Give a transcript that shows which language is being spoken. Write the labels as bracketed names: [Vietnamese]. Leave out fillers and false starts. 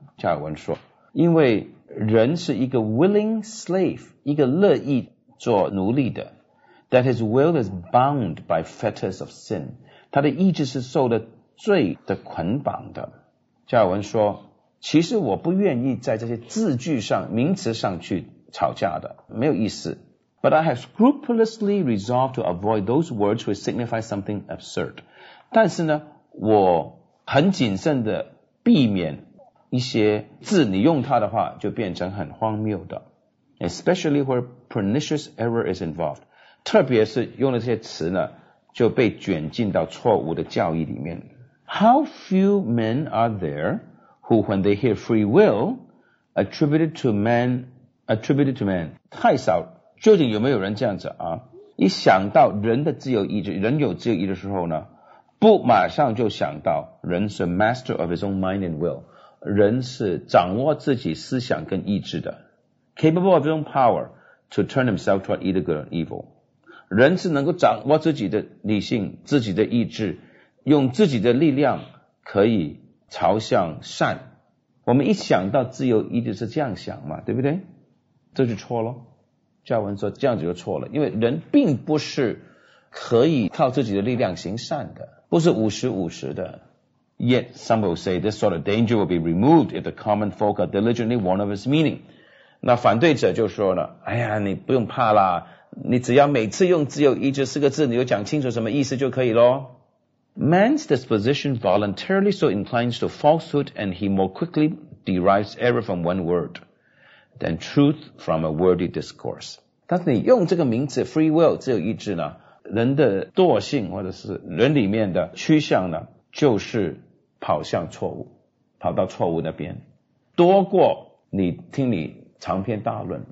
[Chinese] 加尔文说，因为人是一个 [English] willing slave， [Chinese] 一个乐意做奴隶的， [English] that his will is bound by fetters of sin， [Chinese] 他的意志是受了罪的捆绑的。加尔文说，其实我不愿意在这些字句上名词上去吵架的，没有意思。 [English] But I have scrupulously resolved to avoid those words which signify something absurd， [Chinese] 但是呢我很谨慎的避免一些字，你用它的话就变成很荒谬的。 [English] Especially where pernicious error is involved， [Chinese] 特别是用了这些词呢就被卷进到错误的教义里面。 [English] How few men are there who when they hear free will attributed to man， [Chinese] 太少，究竟有没有人这样子啊？一想到人的自由意志，人有自由意志的时候呢，不马上就想到人是 [English] master of his own mind and will， [Chinese] 人是掌握自己思想跟意志的， [English] capable of his own power to turn himself toward either good or evil， [Chinese] 人是能够掌握自己的理性，自己的意志，用自己的力量可以朝向善。我们一想到自由意志是这样想嘛，对不对？这就错了。加尔文说这样子就错了，因为人并不是可以靠自己的力量行善的，不是50-50的。 [English] Yet some will say this sort of danger will be removed if the common folk are diligently warned of its meaning， [Chinese] 那反对者就说了，哎呀你不用怕啦，你只要每次用自由意志4个字你就讲清楚什么意思就可以咯。 [English] Man's disposition voluntarily so inclines to falsehood and he more quickly derives error from one word than truth from a wordy discourse， [Chinese] 但是你用这个名词 free will 自由意志呢，人的惰性或者是人里面的趋向呢，就是跑向错误，跑到错误那边，多过你听你长篇大论。